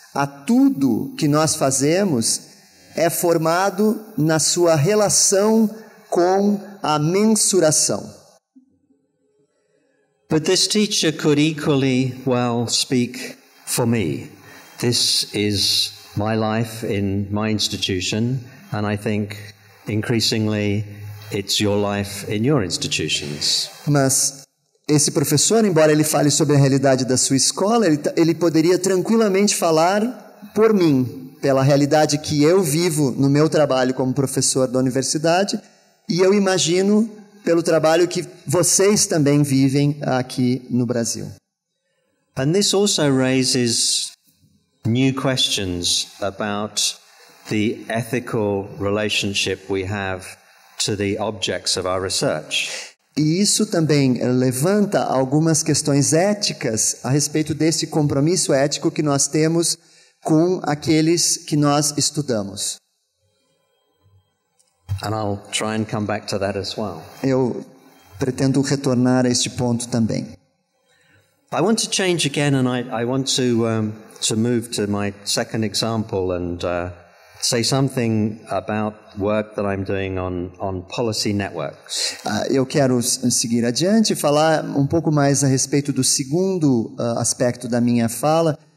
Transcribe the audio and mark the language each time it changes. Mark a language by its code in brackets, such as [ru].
[pt] a tudo que nós fazemos é formado na sua relação com a mensuração. [en] But this teacher could equally well speak for me. This is my life in my institution, and I think increasingly it's your life in your institutions. [pt] Mas esse professor, embora ele fale sobre a realidade da sua escola, ele poderia tranquilamente falar por mim, pela realidade que eu vivo no meu trabalho como professor da universidade, e eu imagino pelo trabalho que vocês também vivem aqui no Brasil. [en] And this also raises new questions about the ethical relationship we have to the objects of our research. [pt] E isso também levanta algumas questões éticas a respeito desse compromisso ético que nós temos com aqueles que nós estudamos. [en] And I'll try and come back to that as well. [pt] Eu pretendo retornar a este ponto também. [en] I want to change again, and I want to move to my second example and say something about work that I'm doing on policy networks. [pt] Eu quero seguir adiante e falar um pouco mais a respeito do segundo aspecto da minha fala.